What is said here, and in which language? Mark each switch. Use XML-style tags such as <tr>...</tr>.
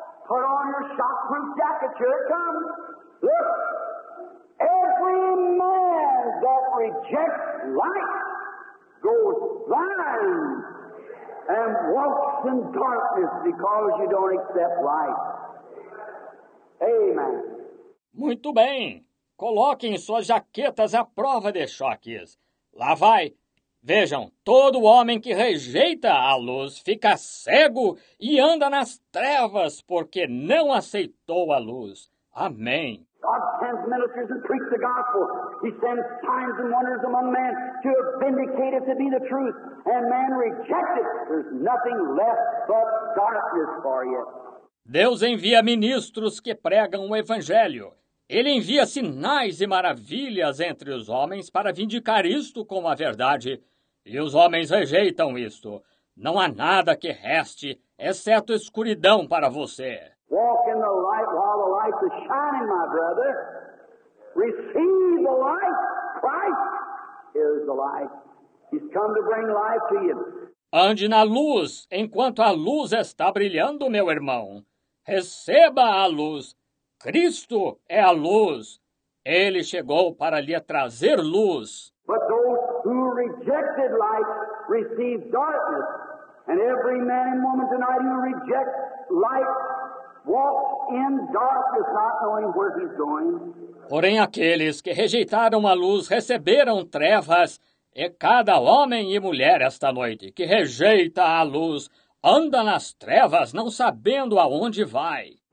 <en>Put on your shockproof jacket, here it comes. Look, every man that rejects light goes blind and walks in darkness because you don't accept light. Amen.</en> <pt>Muito bem. Coloquem suas jaquetas à prova de choques. Lá vai. Vejam, todo homem que rejeita a luz fica cego e anda nas trevas porque não aceitou a luz. Amém.</pt> <en>God sends ministers to preach the gospel. He sends signs and wonders among men to vindicate it to be the truth. And man rejects it. There's nothing left but darkness for you.</en> <pt>Deus envia ministros que pregam o evangelho. Ele envia sinais e maravilhas entre os homens para vindicar isto como a verdade. E os homens rejeitam isto. Não há nada que reste, exceto escuridão para você.</pt> <en>Walk in the light while the light is shining, my brother. Receive the light. Christ is the light. He's come to bring life to you.</en> <pt>Ande na luz enquanto a luz está brilhando, meu irmão. Receba a luz. Cristo é a luz. Ele chegou para lhe trazer luz.</pt> <en>But those who rejected light receive darkness. And every man and woman tonight who rejects light walks in darkness, not knowing where he's going.</en> <pt>Porém, aqueles que rejeitaram a luz receberam trevas. E cada homem e mulher esta noite que rejeita a luz anda nas trevas, não sabendo aonde vai.</pt>